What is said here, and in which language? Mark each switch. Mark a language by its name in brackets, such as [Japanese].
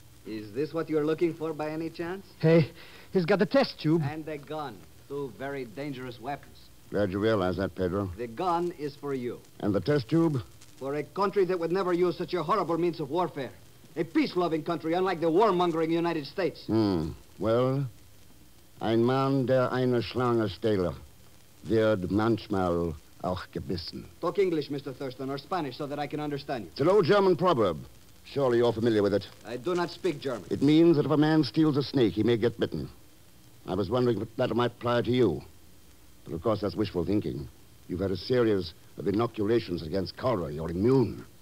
[English] Is this what you're looking for by any chance? Hey, he's got the test tube. And a gun. Two very dangerous weapons. Glad you realize that, Pedro. The gun is for you. And the test tube? For a country that would never use such a horrible means of warfare. A peace-loving country, unlike the warmongering United States. [German] Well, ein Mann, der eine Schlange stehle, wird manchmal auch gebissen. [English] Talk English, Mr. Thurston, or Spanish, so that I can understand you. It's an old German proverb. Surely you're familiar with it. I do not speak German. It means that if a man steals a snake, he may get bitten. I was wondering if that might apply to you. But of course, that's wishful thinking. You've had a series of inoculations against cholera. You're immune.